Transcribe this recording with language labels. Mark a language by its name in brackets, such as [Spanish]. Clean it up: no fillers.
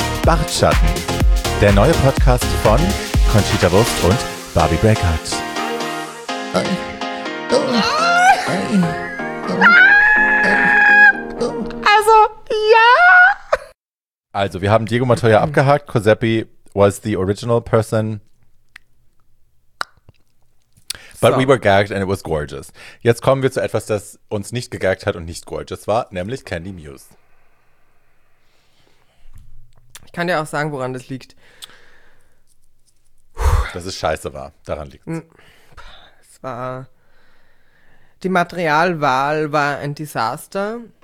[German] Schwarzschatten, der neue Podcast von Conchita Wurst und Barbie Breckhardt. Also, ja! Also, wir haben Diego Montoya abgehakt. [English] Giuseppe was the original person. But we were gagged and it was gorgeous. [German] Jetzt kommen wir zu etwas, das uns nicht gegaggt hat und nicht gorgeous war, nämlich Candy Muse. Ich kann dir auch sagen, woran das liegt. Dass es scheiße war, daran liegt es. Es war, die Materialwahl war ein Desaster.